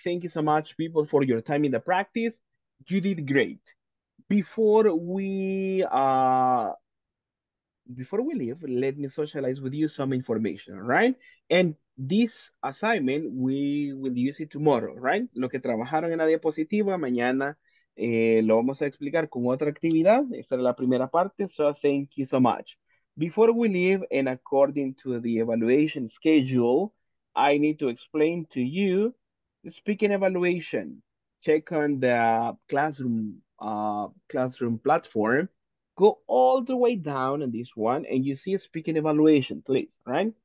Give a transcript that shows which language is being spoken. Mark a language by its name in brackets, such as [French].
[English] Thank you so much, people, for your time in the practice. You did great. Before we leave, let me socialize with you some information, right? And this assignment, we will use it tomorrow, right? [Spanish] Lo que trabajaron en la diapositiva, mañana lo vamos a explicar con otra actividad. Esta es la primera parte. [English] So thank you so much. Before we leave, and according to the evaluation schedule, I need to explain to you the speaking evaluation. Check on the classroom platform. Go all the way down on this one, and you see a speaking evaluation, please, right?